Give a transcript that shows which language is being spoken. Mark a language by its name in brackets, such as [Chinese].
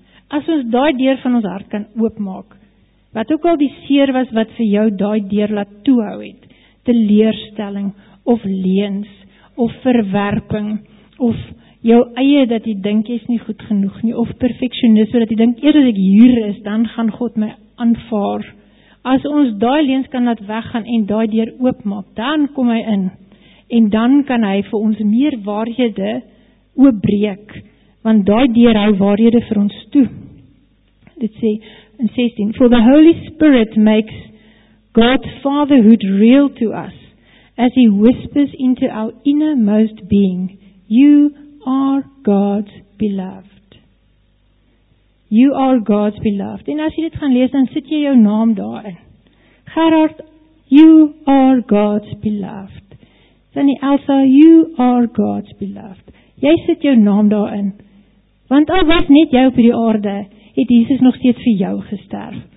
[Afrikaans] As ons daai deur van ons hart kan oopmaak, wat ook al die seer was wat vir jou daai deur laat toehou het, teleerstelling, of leens, of verwerping, of jou eie, dat jy dink jy is nie goed genoeg nie, of perfectionisme, dat jy dink, eers as ek hier is, dan gaan God my aanvaar. As ons daai leens kan laat weggaan, en daai deur oopmaak, dan kom hy in, en dan kan hy vir ons meer waarhede oopbreek, want daai deur hou waarhede vir ons toe. Dit sê, [English] in 16, For the Holy Spirit makes God's fatherhood real to us as he whispers into our innermost being, You are God's beloved. You are God's beloved. [Afrikaans] En as jy dit gaan lees, dan sit jy jou naam daarin. Gerard, [English] you are God's beloved. [Afrikaans] Sunny Elsa, [English] you are God's beloved. [Afrikaans] Jy sit jou naam daarin. Want al was net jy op die aarde, het Jesus nog steeds vir jou gesterf.